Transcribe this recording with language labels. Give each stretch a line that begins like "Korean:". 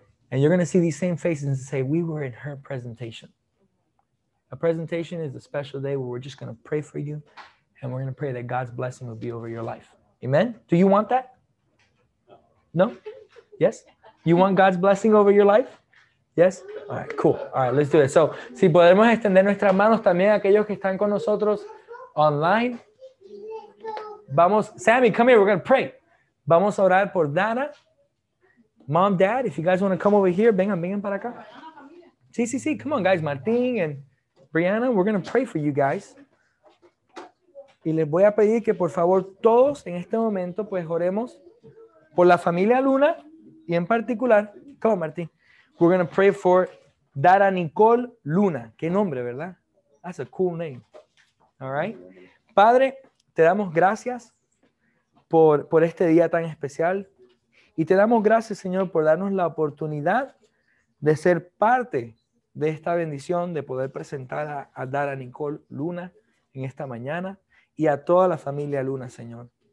English: And you're going to see these same faces and say, we were in her presentation. A presentation is a special day where we're just going to pray for you. And we're going to pray that God's blessing will be over your life. Amen? Do you want that? No? Yes? You want God's blessing over your life? Yes? All right, cool. All right, let's do it.
Spanish: So, si podemos extender nuestras manos también a aquellos que están con nosotros online. Vamos,
English: Sammy, come here. We're going to pray.
Spanish: Vamos a orar por Dana.
English: Mom, Dad, if you guys want to come over here,
Spanish: vengan, vengan para acá. Sí, sí, sí.
English: Come on, guys. Martín and Brianna, we're going to pray for you guys.
Spanish: Y les voy a pedir que, por favor, todos en este momento, pues, oremos por la familia Luna y en particular,
English: come on, Martín. We're going to pray for Dara Nicole Luna.
Spanish: Qué nombre, ¿verdad?
English: That's a cool name. All right.
Spanish: Padre, te damos gracias por este día tan especial. Y te damos gracias, Señor, por darnos la oportunidad de ser parte de esta bendición, de poder presentar a Dara Nicole Luna en esta mañana y a toda la familia Luna, Señor.